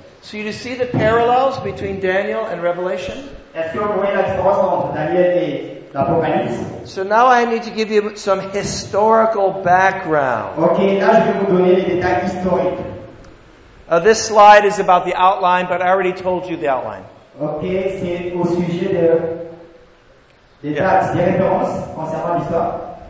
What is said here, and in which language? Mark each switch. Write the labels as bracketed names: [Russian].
[English] So you see the parallels between Daniel and Revelation? [French] Est-ce que vous voyez la différence entre Daniel et l'Apocalypse? [English] So now I need to give you some historical background. [French] Okay, là je vais vous donner les détails historiques. [English] This slide is about the outline, but I already told you the outline. [French] Okay, c'est au sujet des références concernant l'histoire.